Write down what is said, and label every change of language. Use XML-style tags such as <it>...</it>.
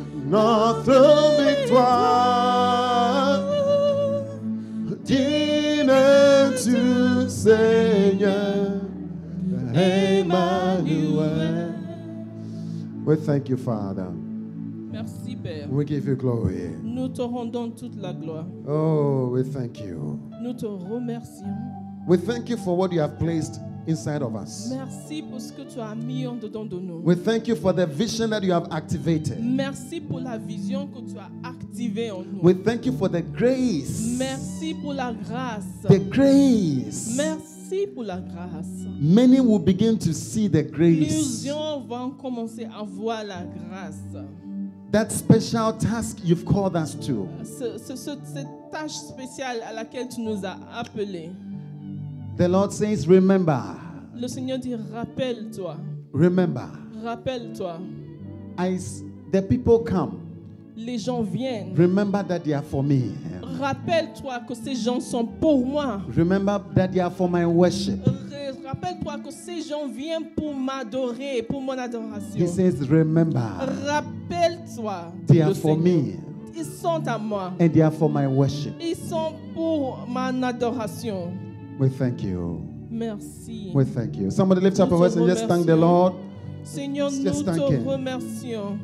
<fr>Notre victoire, dis-tu Seigneur, Emmanuel.</fr> <en>We thank you, Father.</en> <fr>Merci, Père.</fr> <en>We give you glory.</en> <fr>Nous te rendons toute la gloire.</fr> <en>Oh, we thank you.</en> <fr>Nous te remercions.</fr> <en>We thank you for what you have placed inside of us.</en> <fr>Merci pour ce que tu as mis en dedans de nous.</fr> <en>We thank you for the vision that you have activated.</en> <fr>Merci pour la vision que tu as activée en nous.</fr> <en>We thank you for the grace.</en> <fr>Merci pour la grâce.</fr> <en>The grace.</en> <fr>Merci. Pour la grâce.</fr> <en>Many will begin to see the grace.</en> <fr>Plusieurs vont commencer à voir la grâce.</fr> <en>That special task you've called us to.</en> <fr>Cette tâche spéciale à laquelle tu nous as appelé.</fr> <en>The Lord says, remember.</en> <fr>Le Seigneur dit, rappelle-toi.</fr> <en>Remember.</en> <fr>Rappelle-toi.</fr> <en>As the people come.</en> <fr>Les gens viennent.</fr> <en>Remember that they are for me.</en> <fr>Rappelle-toi que ces gens sont pour moi.</fr> <en>Remember that they are for my worship.</en> <fr>Rappelle-toi que ces gens viennent pour m'adorer, pour mon adoration.</fr> <en>He says, remember.</en> <fr>Rappelle-toi.</fr> <en>They are for me.</en> <fr>ils sont à moi.</fr> <en>And they are for my worship.</en> <fr>Ils sont pour mon adoration.</fr> <en>We thank you.</en> <fr>Merci.</fr> <en>We thank you. Somebody lift up your voice and just thank the Lord.</en> <fr>Seigneur, nous te remercions.</fr>